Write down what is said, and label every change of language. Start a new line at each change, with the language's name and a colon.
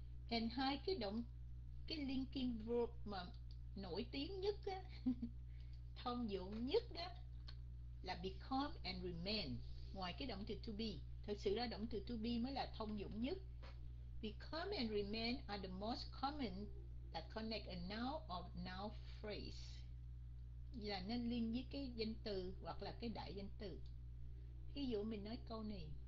Vietnamese: And hai cái động cái linking verb mà nổi tiếng nhất á, thông dụng nhất á là become and remain. Ngoài cái động từ to be, thực sự là động từ to be mới là thông dụng nhất.
English: Become and remain are the most common that connect a noun or noun phrase.
Vietnamese: Là nó liên với cái danh từ hoặc là cái đại danh từ. Ví dụ mình nói câu này.